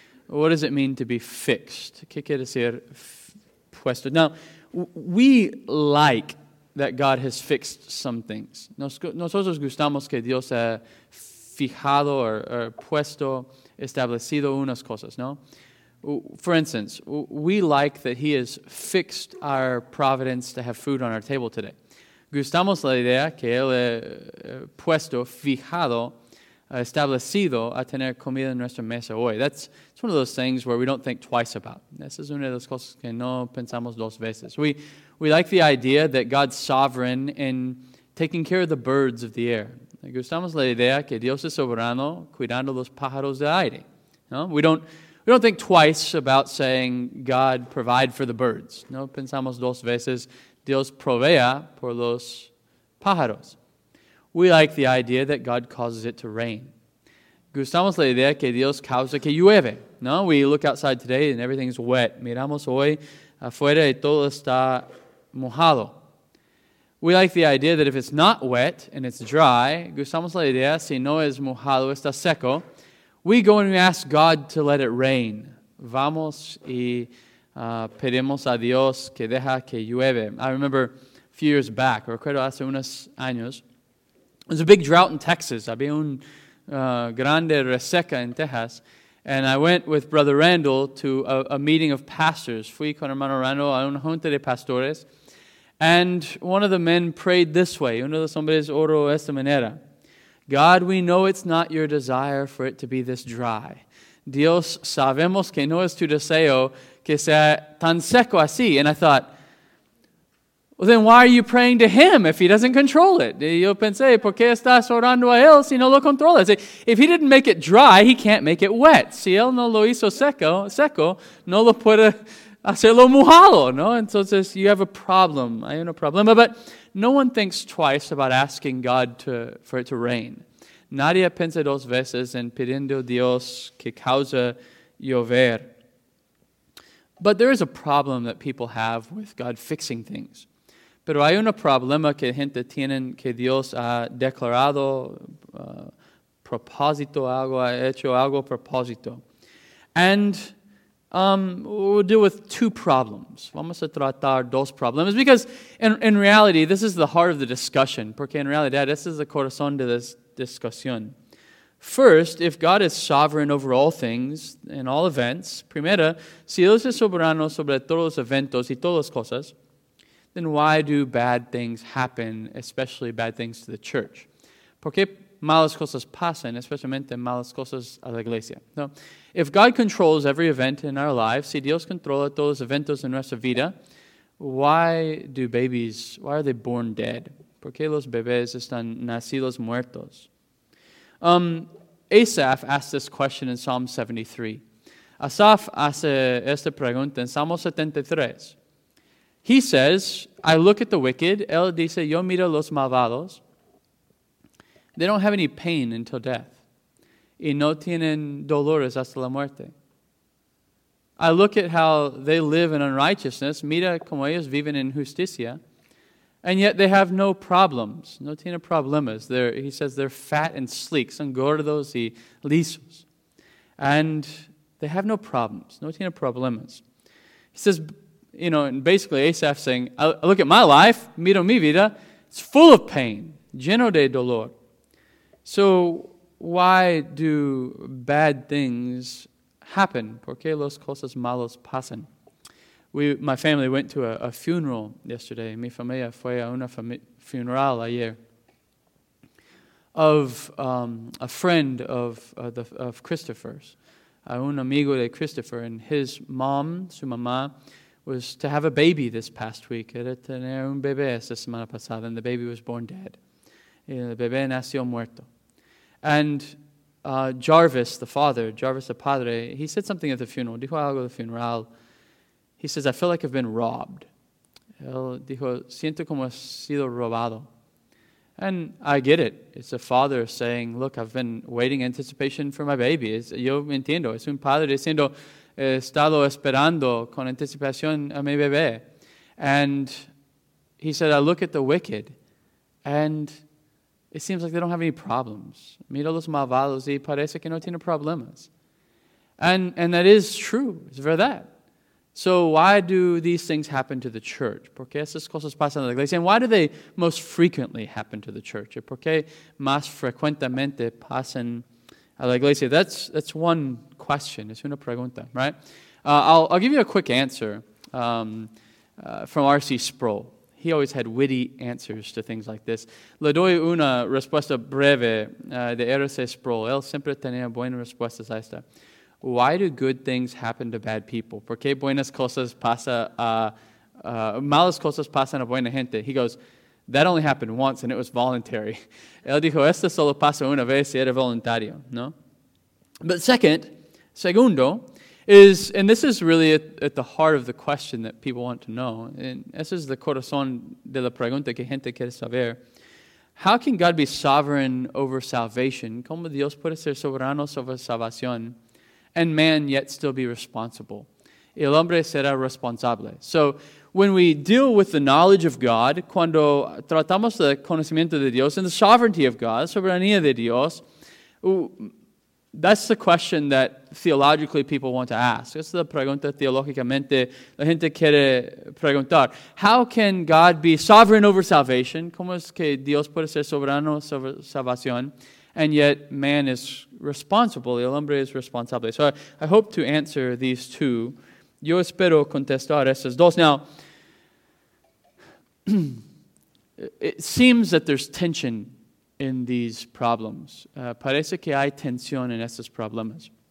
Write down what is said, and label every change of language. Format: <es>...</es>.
<en>What does it mean to be fixed?</en> <es>¿Qué quiere decir puesto?</es> <en>Now, we like that God has fixed some things.</en> <es>Nosotros gustamos que Dios ha fijado or puesto, establecido unas cosas, ¿no?</es> <en>For instance, we like that He has fixed our providence to have food on our table today.</en> <es>Gustamos la idea que Él ha puesto, fijado, establecido a tener comida en nuestra mesa hoy.</es> <en>That's one of those things where we don't think twice about.</en> <es>Esa es una de las cosas que no pensamos dos veces.</es> <en>We like the idea that God's sovereign in taking care of the birds of the air.</en> <es>Gustamos la idea que Dios es soberano cuidando los pájaros del aire. No?</es> <en>We don't think twice about saying God provide for the birds.</en> <es>No pensamos dos veces. Dios provea por los pájaros.</es> <en>We like the idea that God causes it to rain.</en> <es>Gustamos la idea que Dios causa que llueve.</es> <en>No, we look outside today and everything's wet.</en> <es>Miramos hoy afuera y todo está mojado.</es> <en>We like the idea that if it's not wet and it's dry,</en> <es>gustamos la idea si no es mojado, está seco.</es> <en>We go and we ask God to let it rain.</en> <es>Vamos y pedimos a Dios que deja que llueve.</es> <en>I remember a few years back,</en> <es>recuerdo hace unos años,</es> <en>it was a big drought in Texas.</en> <es>Había un grande reseca en Texas.</es> <en>And I went with Brother Randall to a meeting of pastors.</en> <es>Fui con hermano Randall a una junta de pastores.</es> <en>And one of the men prayed this way.</en> <es>Uno de los hombres oró esta manera.</es> <en>God, we know it's not your desire for it to be this dry.</en> <es>Dios, sabemos que no es tu deseo que sea tan seco así.</es> <en>And I thought, well, then why are you praying to Him if He doesn't control it?</en> <es>Yo pensé, ¿por qué estás orando a Él si no lo controla?</es> <en>If He didn't make it dry, He can't make it wet.</en> <es>Si Él no lo hizo seco, no lo puede hacerlo mojado, ¿no? Entonces,</es> <en>you have a problem.</en> <es>Hay un problema. But</es> <en>No one thinks twice about asking God for it to rain.</en> <es>Nadie piensa dos veces en pidiendo Dios que cause llover.</es> <en>But there is a problem that people have with God fixing things.</en> <es>Pero hay un problema que gente tiene que Dios ha declarado propósito algo, ha hecho algo propósito.</es> <en>And we'll deal with two problems.</en> <es>Vamos a tratar dos problemas.</es> <en>Because in reality, this is the heart of the discussion.</en> <es>Porque en realidad,</es> <en>this is the</en> <es>corazón de this discussión.</es> <en>First, if God is sovereign over all things and all events,</en> <es>primera, si Dios es soberano sobre todos los eventos y todas las cosas,</es> <en>then why do bad things happen, especially bad things to the church?</en> <es>¿Por qué malas cosas pasan, especialmente malas cosas a la iglesia?</es> <en>No. If God controls every event in our lives,</en> <es>si Dios controla todos los eventos en nuestra vida,</es> <en>why are they born dead?</en> <es>¿Por qué los bebés están nacidos muertos?</es> <en>Asaph asked this question in Psalm 73.</en> <es>Asaph hace esta pregunta en Salmo 73.</es> <en>He says, I look at the wicked.</en> <es>Él dice, yo miro los malvados.</es> <en>They don't have any pain until death.</en> <es>Y no tienen dolores hasta la muerte.</es> <en>I look at how they live in unrighteousness.</en> <es>Mira como ellos viven en justicia.</es> <en>And yet they have no problems.</en> <es>No tiene problemas.</es> <en>He says they're fat and sleek.</en> <es>Son gordos y lisos.</es> <en>And they have no problems.</en> <es>No tiene problemas.</es> <en>He says, you know, and basically Asaph saying, I look at my life,</en> <es>miro mi vida,</es> <en>it's full of pain,</en> <es>lleno de dolor.</es> <en>So why do bad things happen?</en> <es>¿Por qué las cosas malas pasan?</es> <en>My family went to a funeral yesterday.</en> <es>Mi familia fue a una funeral ayer</es> <en>of a friend of Christopher's,</en> <es>a un amigo de Christopher,</es> <en>and his mom,</en> <es>su mamá,</es> <en>was to have a baby this past week.</en> <es>Era tener un bebé esta semana pasada,</es> <en>and the baby was born dead.</en> <es>El bebé nació muerto.</es> <en>And Jarvis, the padre, he said something at the funeral.</en> <es>Dijo algo</es> <en>at the funeral. He says, I feel like I've been robbed.</en> <es>Él dijo, siento como he sido robado.</es> <en>And I get it. It's a father saying, look, I've been waiting in anticipation for my baby.</en> <es>Yo entiendo. Es un padre diciendo, he estado esperando con anticipación a mi bebé.</es> <en>And he said, I look at the wicked, and it seems like they don't have any problems.</en> <es>Mira los malvados y parece que no tiene problemas.</es> <en>And that is true. It's verdad. So why do these things happen to the church?</en> <es>¿Por qué esas cosas pasan a la iglesia?</es> <en>And why do they most frequently happen to the church?</en> <es>¿Por qué más frecuentemente pasan a la iglesia?</es> <en>That's one question.</en> <es>Es una pregunta,</es> <en>right? I'll give you a quick answer from R.C. Sproul. He always had witty answers to things like this.</en> <es>Le doy una respuesta breve de R.C. Sproul. Él siempre tenía buenas respuestas a esta.</es> <en>Why do good things happen to bad people?</en> <es>¿Por qué buenas cosas pasan a malas cosas pasan a buena gente?</es> <en>He goes, that only happened once and it was voluntary.</en> <es>Él dijo, esto solo pasa una vez y era voluntario, ¿no?</es> <en>But segundo, is, and this is really at the heart of the question that people want to know, and this is the</en> <es>corazón de la pregunta que gente quiere saber.</es> <en>How can God be sovereign over salvation?</en> <es>¿Cómo Dios puede ser soberano sobre salvación?</es> <en>And man yet still be responsible.</en> <es>El hombre será responsable.</es> <en>So when we deal with the knowledge of God,</en> <es>cuando tratamos el conocimiento de Dios</es> <en>and the sovereignty of God,</en> <es>soberanía de Dios,</es> <en>that's the question that theologically people want to ask.</en> <es>Es la pregunta teológicamente la gente quiere preguntar.</es> <en>How can God be sovereign over salvation?</en> <es>¿Cómo es que Dios puede ser soberano sobre salvación?</es> <en>And yet man is responsible,</en> <es>el hombre es responsable.</es> <en>So I hope to answer these two.</en> <es>Yo espero contestar esas dos.</es> <en>Now, it seems that there's tension in these problems.</en> <es>Parece que hay tensión en esos problemas.</es>